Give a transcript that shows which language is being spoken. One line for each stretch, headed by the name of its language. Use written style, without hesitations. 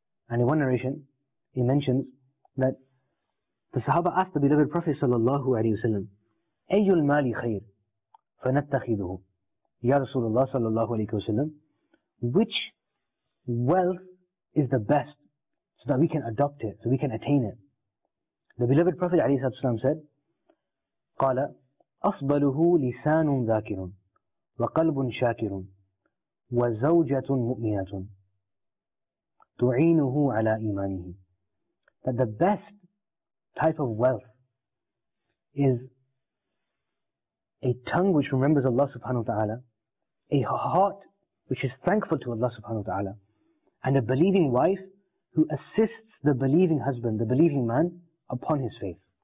English: And in one narration, he mentions that the Sahaba asked the beloved Prophet sallallahu alayhi wa sallam,
Arabic: أَيُّ الْمَالِ خَيْرٍ فَنَتَّخِذُهُ, يَا رَسُولَ اللَّهِ صَلَى اللَّهُ عَلَيْكَ وَسَلَّمْ,
English: which wealth is the best so that we can adopt it, so we can attain it. The beloved Prophet ﷺ said,
Arabic: قَالَ أَفْضَلُهُ لِسَانٌ ذَاكِرٌ وَقَلْبٌ شَاكِرٌ وَزَوْجَةٌ مُؤْمِنَةٌ تُعِينُهُ عَلَىٰ إِيمَانِهِ.
English: That the best type of wealth is a tongue which remembers Allah subhanahu wa ta'ala, a heart which is thankful to Allah subhanahu wa ta'ala, and a believing wife who assists the believing husband, the believing man, upon his faith.